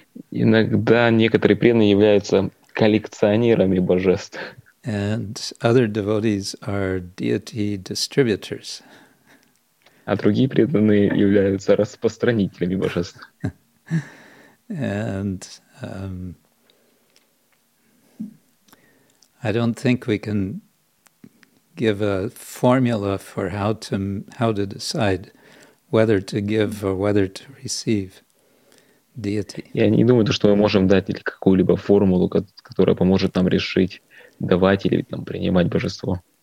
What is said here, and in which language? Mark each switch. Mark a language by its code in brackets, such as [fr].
[ru] Иногда некоторые преданные являются коллекционерами божеств. [en] And other devotees are deity distributors. [ru] А другие преданные являются распространителями божеств. [en] And I don't think we can give a formula for how to decide whether to give or whether to receive deity. [ru] Я не думаю, что мы можем дать или какую-либо формулу, которая поможет нам решить давать или там принимать божество.